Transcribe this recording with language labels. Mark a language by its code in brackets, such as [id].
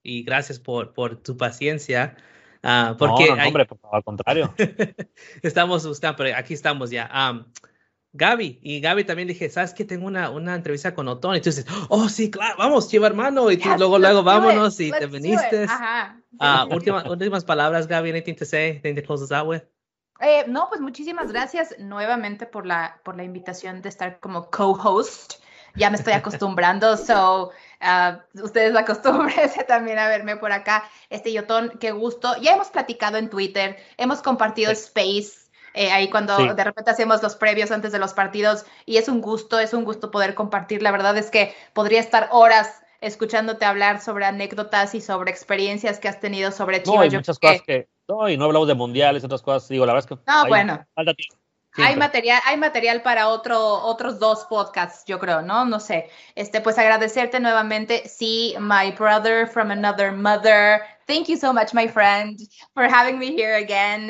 [es] Y gracias por tu paciencia. Porque no, hombre, al contrario. Estamos buscando, pero aquí estamos ya. Gaby, y Gaby también dije, ¿sabes qué? Tengo una entrevista con Otón. Y tú dices, oh, sí, claro, vamos, lleva hermano. Y tú luego, vámonos, y te viniste. Ajá. últimas palabras, [en] Gaby, anything to say, anything to close us out with? [es] No, pues muchísimas gracias nuevamente por la invitación de estar como co-host. Ya me estoy acostumbrando, so ustedes acostúmbrense también a verme por acá. Yotón, qué gusto. Ya hemos platicado en Twitter, hemos compartido space ahí cuando de repente hacemos los previos antes de los partidos. Y es un gusto poder compartir. La verdad es que podría estar horas escuchándote hablar sobre anécdotas y sobre experiencias que has tenido sobre Chivas. No, hay muchas cosas que... No, y no hablamos de mundiales, otras cosas, digo, la verdad es que... No, hay, bueno, falta hay material para otros dos podcasts, yo creo, ¿no? No sé. Pues agradecerte nuevamente. [en] Sí, my brother from another mother. Thank you so much, my friend, for having me here again.